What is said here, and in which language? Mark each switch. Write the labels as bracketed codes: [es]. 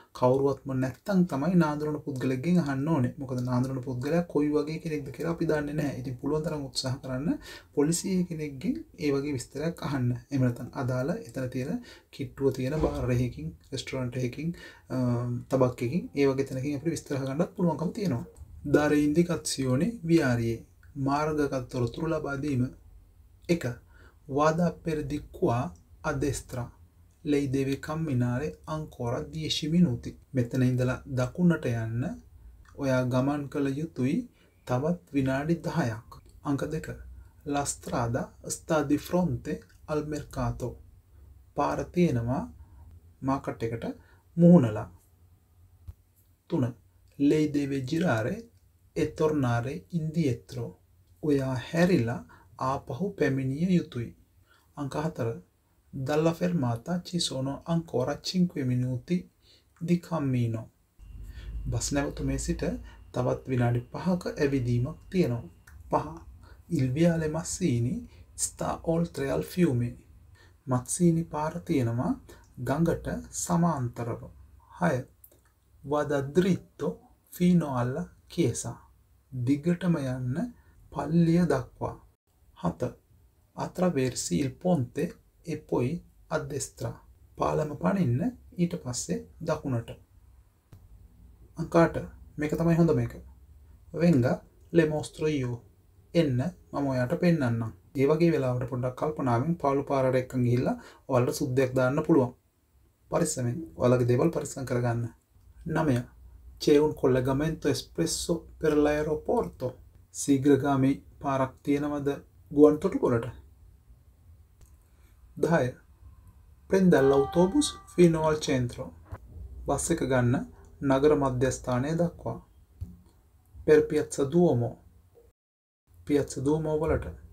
[si] කවුරුවත්ම නැත්තම් තමයි නාඳුනන පුද්ගලයෙක්ගෙන් අහන්න ඕනේ මොකද නාඳුනන පුද්ගලයා කොයි වගේ කෙනෙක්ද කියලා අපි දන්නේ නැහැ ඉතින් පුළුවන් තරම් උත්සාහ කරන්න පොලිසිය කෙනෙක්ගෙන් ඒ වගේ විස්තරයක් අහන්න එහෙම නැත්නම් අදාළ එතන තියෙන කිට්ටුව තියෙන බාර් එකකින් රෙස්ටුරන්ට් එකකින් තබක් එකකින් ඒ වගේ තැනකින් අපිට විස්තර අහගන්නත් පුළුවන්කම තියෙනවා [it] Dare indicazioni viarie [si] මාර්ගගත තොරතුරු ලබා දීම 1. [it] Vada per di qua a destra. Lei deve camminare ancora 10 minuti. [si] මෙතන ඉඳලා දකුණට යන්න ඔයා ගමන් කළ යුතුයි තවත් විනාඩි 10ක්. අංක 2. [it] La strada sta di fronte al mercato. [si] පාර තියෙනවා මාකට් එකට මුහුණලා. 3. [it] Lei deve girare e tornare indietro. [si] ඔයා හැරිලා ආපහු පැමිණිය යුතුයි. අංක 4. [it] Dalla fermata ci sono ancora 5 minuti di cammino. [si] Bus නැවතුමේ සිට තවත් විනාඩි 5ක ඇවිදීමක් තියෙනවා. 5. [it] Il viale Mazzini sta oltre al fiume. [si] Mazzini පාර තියෙනවා ගඟට සමාන්තරව. 6. [it] Vada dritto fino alla chiesa. [si] දිගටම යන්න පල්ලිය දක්වා. [it] 7. Attraversi il ponte e poi a destra. [si] පාලම පනින්න ඊට පස්සේ දකුණට. අංක 8. මේක තමයි හොඳම එක. [it] Venga, le mostro io. [si] එන්න මම ඔයාට පෙන්නන්නම්. ඒ වගේ වෙලාවට පොඩ්ඩක් කල්පනාවෙන් පාළු පාරට එක්කන් ගිහිල්ලා ඔයාලට සුද්දයක් දාන්න පුළුවන්. පරිස්සමෙන් ඔයාලගේ දේවල් පරිස්සම් කරගන්න. 9. [it] C'è un collegamento espresso per l'aeroporto. [si] Sigragami පාරක් තියෙනවද? ගුවන් තොටුපළට 10 [it] prende l'autobus fino al centro [si] bus එක ගන්න නගර මධ්‍යස්ථානය දක්වා [it] per piazza duomo [si] වලට